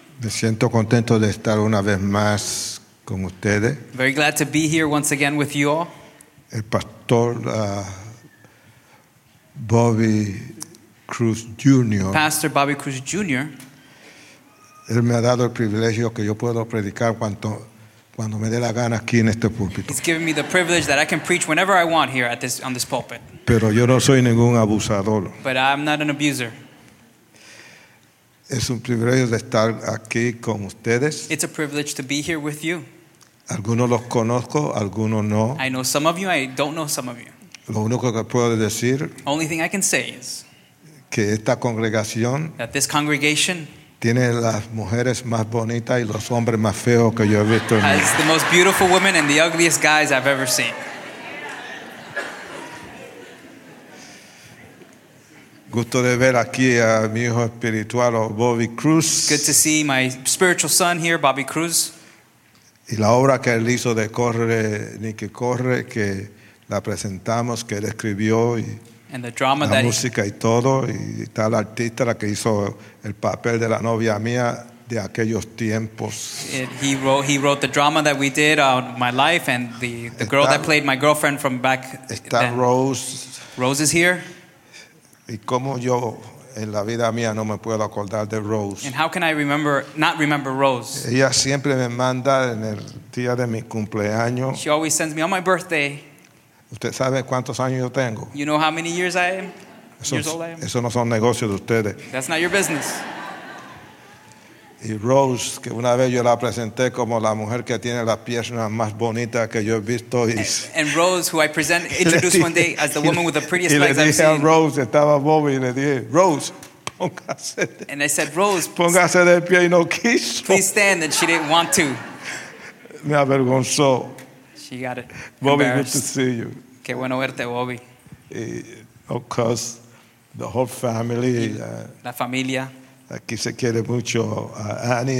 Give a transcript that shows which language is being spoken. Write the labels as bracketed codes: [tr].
[es] Me siento contento de estar una vez más con ustedes. [en] Very glad to be here once again with you all. [es] El pastor Bobby Cruz Jr. [en] Pastor Bobby Cruz Jr. [es] Él me ha dado el privilegio que yo puedo predicar cuando me dé la gana aquí en este púlpito. [en] He's given me the privilege that I can preach whenever I want here at this on this pulpit. [es] Pero yo no soy ningún abusador. [en] But I'm not an abuser. [es] Es un privilegio de estar aquí con ustedes. [en] It's a privilege to be here with you. [es] Algunos los conozco, algunos no. [en] I know some of you, I don't know some of you. [es] Lo único que puedo decir, [en] only thing I can say is [es] que esta congregación, [en] that this congregation [es] tiene las mujeres más bonitas y los hombres más feos que yo he visto en mi [en] vida. Has the most beautiful women and the ugliest guys I've ever seen. [es] Gusto de ver aquí a mi hijo espiritual, Bobby Cruz. [en] Good to see my spiritual son here, Bobby Cruz. [es] Y la obra que él hizo de Corre, Nicky Corre, que la presentamos, que él escribió y [en] and the drama [es] la música y todo, y está la artista la que hizo el papel de la novia mía de aquellos tiempos. [en] He wrote the drama that we did on my life and the girl that played my girlfriend from back then. [es] Está Rose. [en] Rose is here. [es] Y cómo yo en la vida mía no me puedo acordar de Rose. [en] And how can I not remember Rose? [es] Ella siempre me manda en el día de mi cumpleaños. [en] She always sends me on my birthday. [es] ¿Usted sabe cuántos años yo tengo? [en] You know how many years I am? [es] Eso no son negocios de ustedes. [en] That's not your business. [es] Y Rose, que una vez yo la presenté como la mujer que tiene las piernas más bonitas que yo he visto. [en] And Rose, who I introduced one day as the woman with the prettiest legs I've seen. [es] Y le dije a Rose, estaba Bobby, y le dije, Rose, póngase. [en] And I said, Rose, [es] póngase de pie, y no quiso. [en] Please stand, and she didn't want to. [es] Me avergonzó. [en] You got it. Bobby, good to see you. [es] Qué bueno verte, Bobby. [en] Of course, the whole family. [es] La familia. Aquí se quiere mucho a Annie.